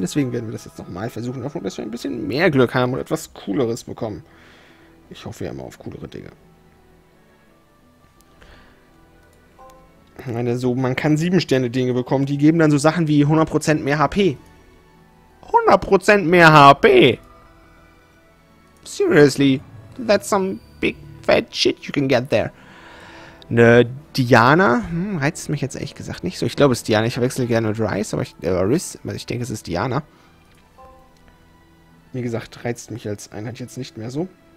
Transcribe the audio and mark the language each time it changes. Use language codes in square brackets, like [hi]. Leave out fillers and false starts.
[de] Deswegen werden wir das jetzt nochmal versuchen. Hoffen, dass wir ein bisschen mehr Glück haben und etwas Cooleres bekommen. Ich hoffe ja immer auf coolere Dinge. Ich meine, so, man kann 7-Sterne-Dinge bekommen. Die geben dann so Sachen wie 100% mehr HP. 100% mehr HP! [en] Seriously, that's some big fat shit you can get there. [de] Ne, Diana, reizt mich jetzt ehrlich gesagt nicht so. Ich glaube, es ist Diana. Ich verwechsel gerne mit Rice, aber ich denke, es ist Diana. Wie gesagt, reizt mich als Einheit jetzt nicht mehr so.